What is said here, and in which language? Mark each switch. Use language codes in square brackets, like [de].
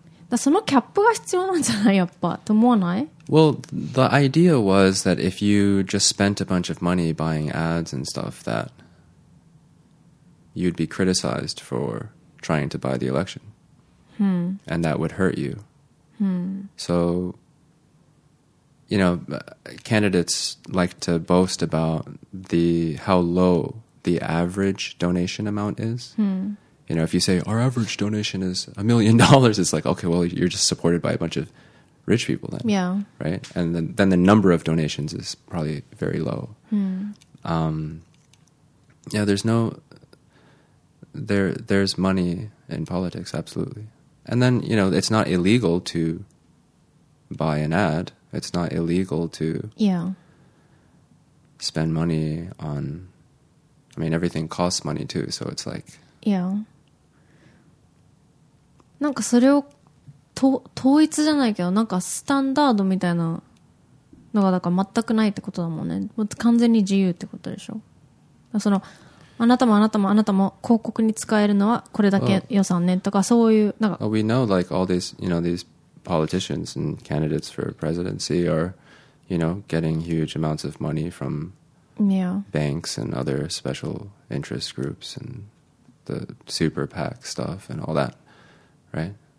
[ja] だそのキャップが必要なんじゃないやっぱと思わない [en] Well, the idea was that if you just spent a bunch of money buying ads and stuff that you'd be criticized for trying to buy the election、 hmm. and that would hurt you、 hmm. So, you know, candidates like to boast about the, how low the average donation amount is、 hmm. You know, if you say our average donation is $1 million, it's like, okay, well, you're just supported by a bunch of rich people then. Yeah. Right? And then the number of donations is probably very low. Hmm. Yeah, there's no... There's money in politics, absolutely. And then, you know, it's not illegal to buy an ad. It's not illegal to... Yeah. Spend money on... I mean, everything costs money too, so it's like... Yeah. [ja] なんかそれを統一じゃないけどなんかスタンダードみたいなのがだから全くないってことだもんね。もう完全に自由ってことでしょ。そのあなたもあなたもあなたも広告に使えるのはこれだけ予算ねとかそういうなんか。 [en] Well, we know like all these, you know, these politicians and candidates for presidency are, you know, getting huge amounts of money from banks and other special interest groups andthe super PAC stuff and all that, right?